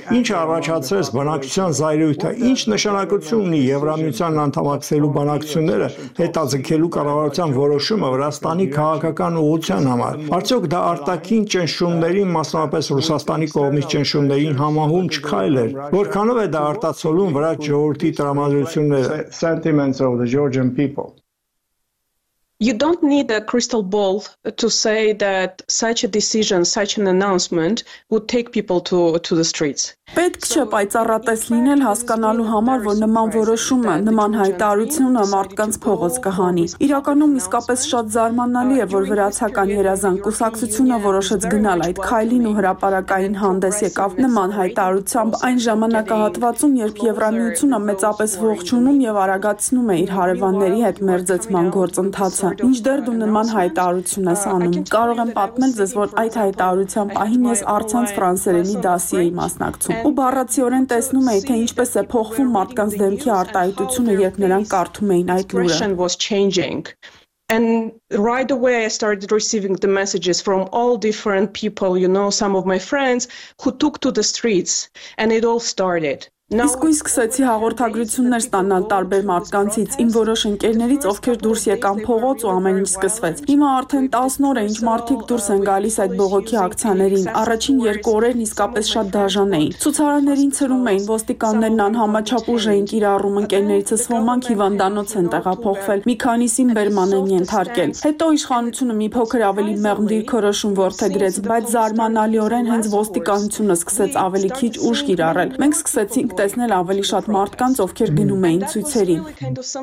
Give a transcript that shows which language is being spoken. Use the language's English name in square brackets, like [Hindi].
[Armenian] Ինչ առաջացրեց բանակցության զայրույթը, ինչ նշանակություն ունի Եվրամիության անդամակցելու բանակցությունները հետաձգելու կառավարության որոշումը Վրաստանի քաղաքական ուղղության համար։ Արդյոք դա արտաքին ճնշումներին, մասնավորապես Ռուսաստանի կողմից ճնշումներին համահում չքայլ էր։ Որքանով է դա արտացոլում վրաց ժողովրդի տրամադրությունները։ [English] Sentiments of the Georgian people. You don't need a crystal ball to say that such a decision, such an announcement would take people to the streets. [Armenian] Պետք չէ պայծառատես լինել հասկանալու համար, որ նման որոշումը, նման հայտարարությունը մարդկանց փողոց կհանի։ Իրականում իսկապես շատ զարմանալի է, որ վրացական երազան կուսակցությունը որոշեց գնալ այդ քայլին ու հրապարակային հանդես եկավ նման հայտարարությամբ այն ժամանակահատվածում, երբ Եվրամիությունը մեծապես ողջունում եւ արագացնում է իր հարևանների հետ մերձեցման գործընթացը։ Ինչ դեռ դու նման հայտարարություն ես անում։ Կարող եմ պատմել ձեզ, որ այդ հայտարարության պահին ես առցանց ֆրանսերենի դասի էի մասնակցում ու բառացիորեն տեսնում էի, թե ինչպես է փոխվում մարդկանց դեմքի արտահայտությունը, երբ նրանք կարդում էին այդ լուրը։ [English] And right away I started receiving the messages from all different people, you know, some of my friends who took to the streets and it all started. [Armenian] Իսկ ու սկսեցի հաղորդագրություններ ստանալ տարբեր մարդկանցից, իմ որոշ ընկերներից, ովքեր դուրս եկան փողոց ու ամեն ինչ սկսվեց։ Հիմա արդեն 10 օր է, ինչ մարդիկ դուրս են գալիս այդ բողոքի ակցիաներին։ Առաջին 2 օրերն իսկապես շատ դաժան էին։ Ցուցարարներին ծրում էին, ոստիկաններն անհամաչափ ուժ էին կիրառում, ընկերներիցս ոմանք հիվանդանոց են տեղափոխվել, մի քանիսին Բերմանենի ենթարկել։ Հետո իշխանությունը մի փոքր ավելի մեղմ դիրք որոշում որդեգրեց, բայց զարմանալիորեն հենց ոստիկանությունը սկսեց ավելի քիչ ուժ կիրառել։ Մենք սկսեցինք տեսնել ավելի շատ մարդկանց, ովքեր գնում էին ցույցերին։